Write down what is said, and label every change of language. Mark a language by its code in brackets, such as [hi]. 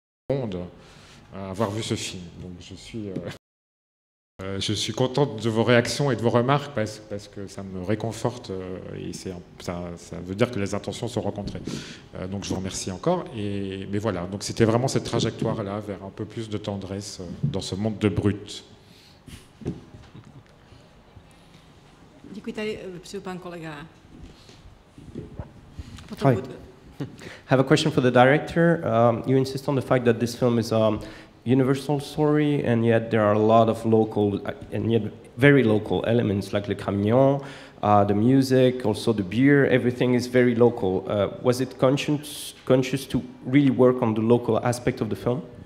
[fr] Monde à avoir vu ce film. Donc je suis... je suis contente de vos réactions et de vos remarques parce que ça me réconforte et ça veut dire que les intentions sont rencontrées. Donc je vous remercie encore. Mais voilà, donc c'était vraiment cette trajectoire-là vers un peu plus de tendresse dans ce monde de brut. [cs] Děkuji tady, přeju pan kolega. [en] Hi. I have a question for the director. You insist on the fact that this film is... universal story, and yet there are a lot of local, and yet very local elements, like [fr] le camion, [en] the music, also the beer, everything is very local. Was it conscious to really work on the local aspect of the film?